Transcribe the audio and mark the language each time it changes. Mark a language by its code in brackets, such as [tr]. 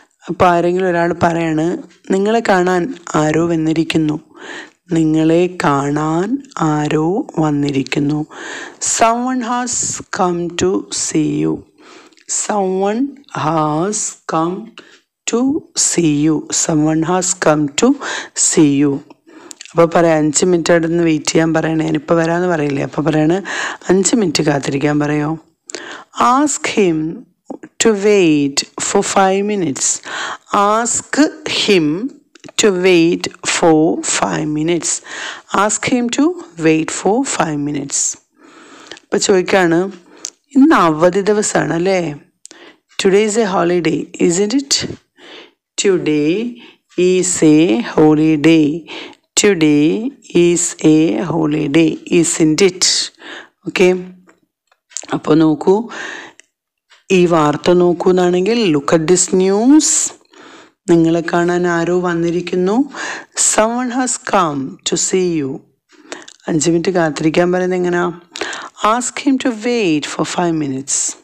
[ml] അപ്പോൾ ആരെങ്കിലും ഒരാൾ പറയാണ്, നിങ്ങളെ കാണാൻ ആരോ വന്നിരിക്കുന്നു. നിങ്ങളെ കാണാൻ ആരോ വന്നിരിക്കുന്നു. [en] Someone has come to see you. Someone has come to see you. Someone has come to see you. [ml] അപ്പോൾ പറയാം, 5 മിനിറ്റ് അവിടെ നിന്ന് വെയിറ്റ് ചെയ്യാൻ പറയണേ. ഞാനിപ്പോൾ വരാമെന്ന് പറയില്ലേ. അപ്പോൾ പറയാണ്, 5 മിനിറ്റ് കാത്തിരിക്കാൻ പറയോ. [en] Ask him to wait for 5 minutes. Ask him to wait for 5 minutes. Ask him to wait for 5 minutes. [ml] അപ്പോൾ ചോദിക്കുകയാണ്, ഇന്ന് അവധി ദിവസമാണ് അല്ലേ. [en] Today is a holiday, isn't it? Today is a holiday. Today is a holiday, isn't it? Okay. [ml] അപ്പോൾ നോക്കൂ, ഈ വാർത്ത നോക്കൂന്നാണെങ്കിൽ [en] Look at this news. [ml] നിങ്ങളെ കാണാൻ ആരോ വന്നിരിക്കുന്നു. [en] Someone has come to see you. [ml] 5 minute കാത്തിരിക്കാൻ പറയുന്നത് എങ്ങനെയാ? [en] Ask him to wait for 5 minutes.